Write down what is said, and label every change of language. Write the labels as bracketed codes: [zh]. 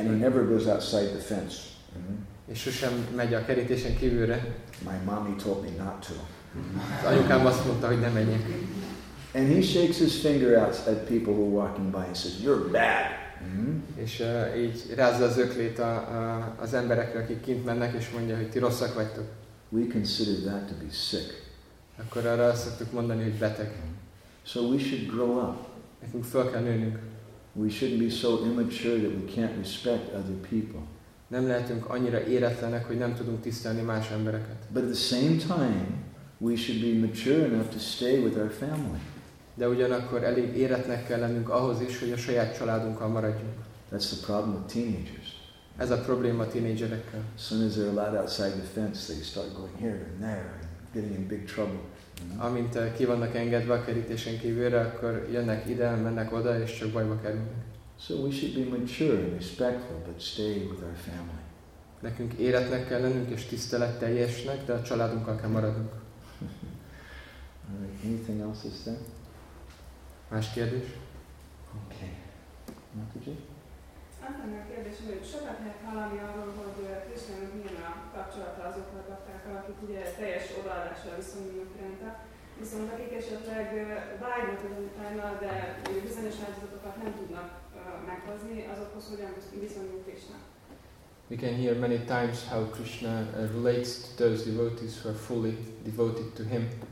[en] and he never goes outside the fence, [hu] és sosem megy a kerítésen kívülre, [en] my mommy told me not to. [hu] Anyukám azt mondta, hogy ne menjek. [en] And he shakes his finger out at people who are walking by and says, "You're bad." [hu] És így rázza az öklét az emberekre, akik kint mennek, és mondja, hogy ti rosszak vagytok. [en] We consider that to be sick. [hu] Akkor arra szoktuk mondani, hogy beteg. [en] So we should grow up. [hu] Nekünk fel kell nőnünk. [en] We shouldn't be so immature that we can't respect other people. [hu] Nem lehetünk annyira éretlenek, hogy nem tudunk tisztelni más embereket. [en] But at the same time, we should be mature enough to stay with our family. [hu] De ugyanakkor elég éretnek kell lennünk ahhoz is, hogy a saját családunkkal maradjunk. [en] That's the problem with teenagers. [hu] Ez a probléma a tínédzserekkel. [en] As soon as they're allowed outside the fence, they start going here and there and getting in big trouble. [hu] Amint ki vannak engedve a kerítésen kívülre, akkor jönnek ide, mennek oda, és csak bajba kerülnek. [en] So we should be mature and respectful, but stay with our family. [hu] Nekünk éretnek kell lennünk, és tiszteletteljesnek, de a családunkkal kell maradunk. [en] Anything else is there? [hu] Más kérdés? Oké. Mati G? Aztán a kérdés, hogy sokat lehet hallani arról, hogy Krisnának milyen a kapcsolata azoknak baktákkal, akik ugye teljes odaadással viszonyulnak rendbe. Viszont akik esetleg vágynak az utána, de bizonyos áldozatokat nem tudnak meghozni, azokhoz hogyan viszonyul Krisna? [en] We can hear many times how Krishna relates to those devotees who are fully devoted to him.